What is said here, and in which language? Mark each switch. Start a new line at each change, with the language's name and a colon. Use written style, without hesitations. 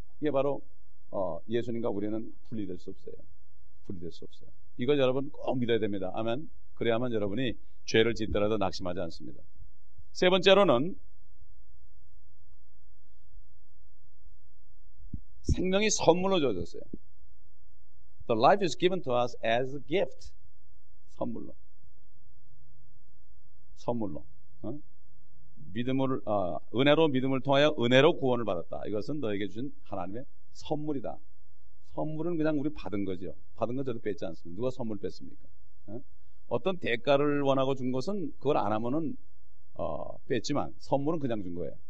Korean: 이게 바로 예수님과 우리는 분리될 수 없어요. 분리될 수 없어요. 이걸 여러분 꼭 믿어야 됩니다. 아멘. 그래야만 여러분이 죄를 짓더라도 낙심하지 않습니다. 세 번째로는 생명이 선물로 주어졌어요.
English: The life is given to us as a gift.
Korean: 선물로. 선물로. 믿음을, 은혜로 믿음을 통하여 은혜로 구원을 받았다. 이것은 너에게 주신 하나님의 선물이다. 선물은 그냥 우리 받은 거죠. 받은 건 저도 뺏지 않습니다. 누가 선물 뺐습니까? 어떤 대가를 원하고 준 것은 그걸 안 하면은 뺐지만 선물은 그냥 준 거예요.